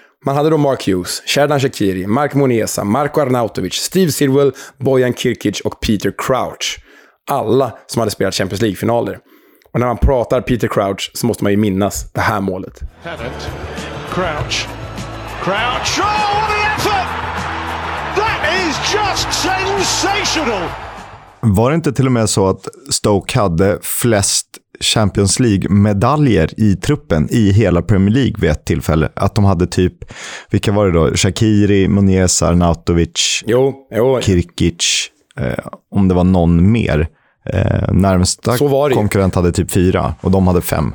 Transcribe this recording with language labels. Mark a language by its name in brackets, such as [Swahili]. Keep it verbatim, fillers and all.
[Swedish] Man hade då Mark Hughes, Xherdan Shaqiri, Marc Muniesa, Marko Arnautovic, Steve Sirwell, Bojan Kirkic och Peter Crouch. Alla som hade spelat Champions League-finaler. Och när man pratar Peter Crouch så måste man ju minnas det här målet. [English] Crouch. Crouch. Oh, what an effort! That is just sensational! [Swedish] Var det inte till och med så att Stoke hade flest Champions League-medaljer i truppen i hela Premier League vid ett tillfälle? Att de hade typ, vilka var det då? Shaqiri, Muniesa, Arnautovic, jo, jo. Kirkic, eh, om det var någon mer. Eh, närmsta konkurrent hade typ fyra och de hade fem.